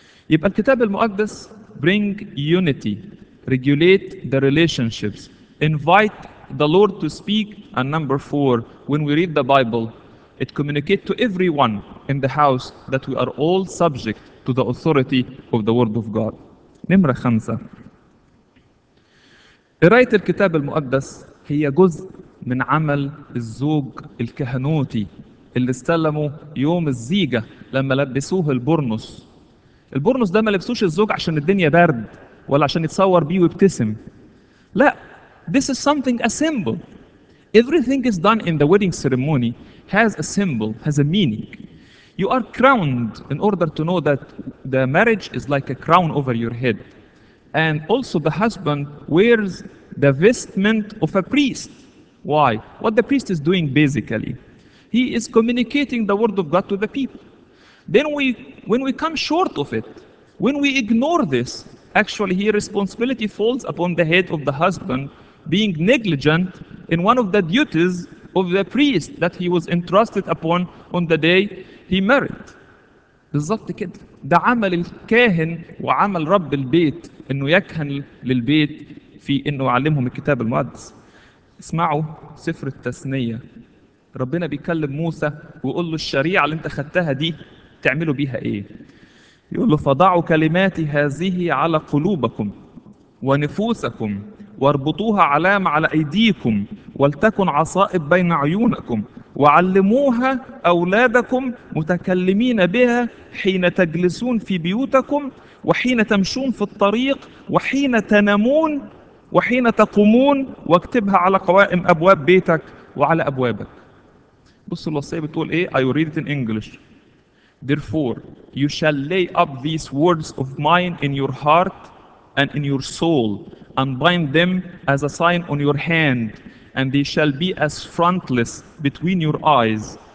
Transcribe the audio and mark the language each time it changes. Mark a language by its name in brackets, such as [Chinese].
[Arabic] يبقى الكتاب المقدس [English] bring unity, regulate the relationships, invite the Lord to speak, and number four, when we read the Bible, it communicates to everyone in the house that we are all subject to the authority of the Word of God. [Arabic] نمرة خمسة. قراية الكتاب المقدس هي جزء من عمل الزوج الكهنوتي اللي استلمه يوم الزيجة لما لبسوه البرنس. البرنس ده ما لبسوش الزوج عشان الدنيا برد ولا عشان يتصور بيه ويبتسم. لا. [English] This is something, a symbol. Everything is done in the wedding ceremony has a symbol, has a meaning. You are crowned in order to know that the marriage is like a crown over your head. And also the husband wears the vestment of a priest. Why? What the priest is doing basically, he is communicating the word of God to the people. Then when we come short of it, when we ignore this, actually here responsibility falls upon the head of the husband being negligent in one of the duties of the priest that he was entrusted upon on the day he married. [Arabic] بالظبط كده، ده عمل الكاهن وعمل رب البيت انه يكهن للبيت في انه يعلمهم الكتاب المقدس. اسمعوا سفر التثنية، ربنا بيكلم موسى ويقول له الشريعة اللي انت خدتها دي تعملوا بيها ايه؟ يقول له فضعوا كلماتي هذه على قلوبكم ونفوسكم واربطوها علامة على أيديكم ولتكن عصائب بين عيونكم وعلموها أولادكم متكلمين بها حين تجلسون في بيوتكم، وحين تمشون في الطريق، وحين تنامون، وحين تقومون، واكتبها على قوائم أبواب بيتك وعلى أبوابك. بص الوصية بتقول إيه؟ [English] I read it in English. Therefore, you shall lay up these words of mine in your heart and in your soul, and bind them as a sign on your hand, and they shall be as frontless between your eyes.